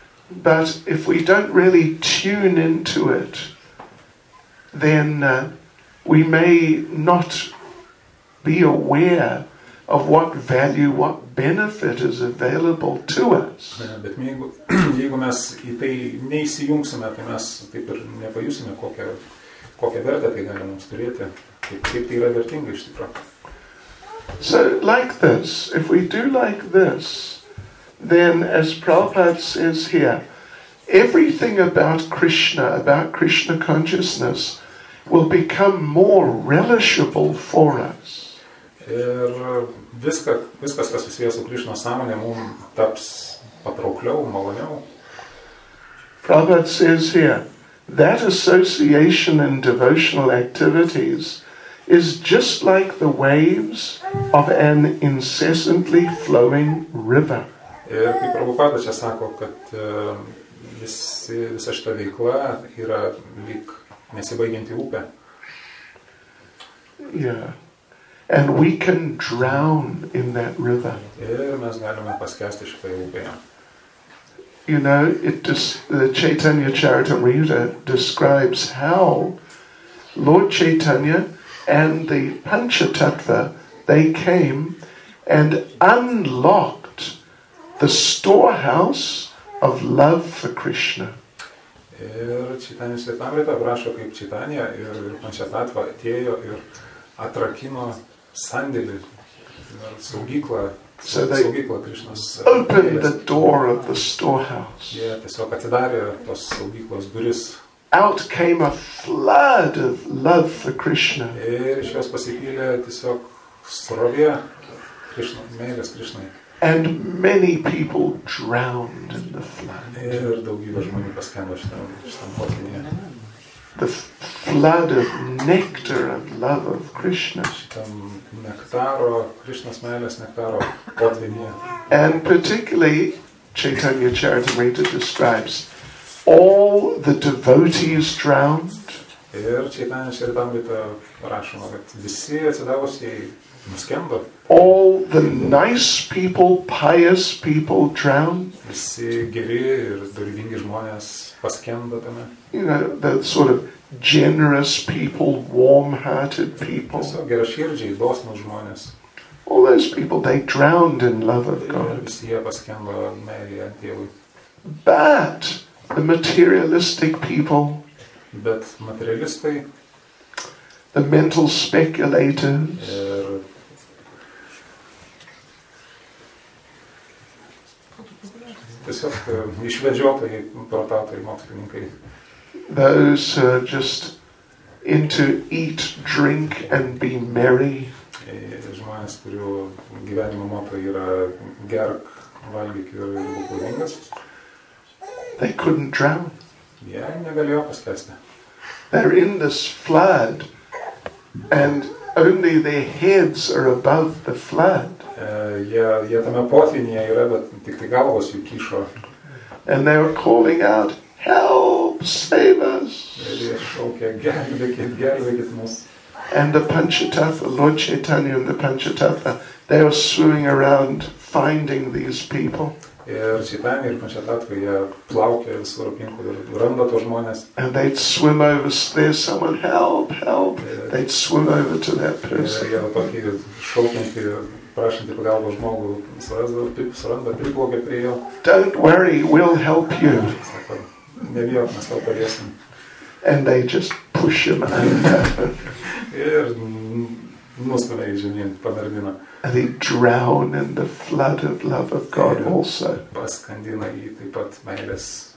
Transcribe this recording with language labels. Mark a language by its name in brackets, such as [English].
[English] But if we don't really tune into it, then we may not be aware of what value, what benefit is available to us. [Lithuanian] Bet jeigu mes į tai neįsijungsime, tai mes taip ir nepajusime, kokią vertę tai gali mums turėti, kaip tai yra vertinga iš tikro. [English] So, like this, if we do like this, then as Prabhupada says here, everything about Krishna consciousness, will become more relishable for us. [Lithuanian] Ir viskas, kas susijęs su Krishna sąmonė, mums taps patraukliau, maloniau. [English] Prabhupada says here, that association in devotional activities is just like the waves of an incessantly flowing river. [Lithuanian] Ir kaip Prabhupada čia sako, kad visa šita veikla yra lyg nesibaigianti upė. [English] Yeah. And we can drown in that river. [Lithuanian] Ir mes galime paskęsti šitoje upėje. [English] You know, the Chaitanya Charitamrita describes how Lord Chaitanya and the Panchatattva, they came and unlocked the storehouse of love for Krishna. [Lithuanian] Ir Chaitanya Svetamrita prašo, kaip Chaitanya ir Panchatattva atėjo ir atrakino sandėlį, saugyklą Krishnas. [English] Opened the door of the storehouse. [Lithuanian] Jie tiesiog atidarė tos saugyklos duris. [English] Out came a flood of love for Krishna. [Lithuanian] Ir iš jos pasipylė tiesiog srovė Krishna, meilės Krishnai. [English] And many people drowned in the flood. [Lithuanian] Ir daugybė žmonių paskendo šitam potvynyje. [English] The flood of nectar and love of Krishna. [Lithuanian] Šitam nektaro, Krishnas meilės nektaro potvynyje. [English] And particularly, Chaitanya Charitamrita describes, all the devotees drowned. [Lithuanian] Ir Chaitanya Charitamrita rašoma, kad visi atsidavusieji nuskendo. [English] All the nice people, pious people drowned. [Lithuanian] Visi geri ir dorybingi žmonės paskendo tame. [English] You know, the sort of generous people, warm-hearted people. [Lithuanian] Tiesiog geraširdžiai, dosnus žmonės. [English] All those people, they drowned in love of God. [Lithuanian] Visi jie paskendo meilėje Dievui. [English] But the materialistic people, [Lithuanian] bet materialistai, [English] the mental speculators, [Lithuanian] ir tiesiog išvedžiotojai, protautojai, mokslininkai, [English] those who are just into eat, drink and be merry, [Lithuanian] žmonės, kurių gyvenimo moto yra gerk, valgyk ir būk laimingas. [English] They couldn't drown. [Lithuanian] Jie negalėjo paskęsti. [English] They're in this flood and only their heads are above the flood. [Lithuanian] Jie tame potvynyje yra, bet tik tai galvos jų kyšo. [English] And they were calling out, help, save us. [Lithuanian] Ir jie šaukė, gelbėkit mus. [English] And the Panchatattva, Lord Chaitanya and the Panchatattva, they were swimming around finding these people. [Lithuanian] Ir Chaitanya ir Panchatattva, jie plaukė visur aplinkų ir randa tos žmonės. [English] And they'd swim over, there's someone, help. Ir they'd swim over to that person. [Lithuanian] Jie tokį šaukinti, prašinti pagalbą žmogų, suranda priblogę prie jo. [English] Don't worry, we'll help you. [Lithuanian] Nebijok, mes tau padėsim. [English] And they just push him under. [Lithuanian] Ir nustumė į žemyn, panardino. [English] And he drown in the flood of love of God also. [Lithuanian] Paskandina jį taip pat meilės.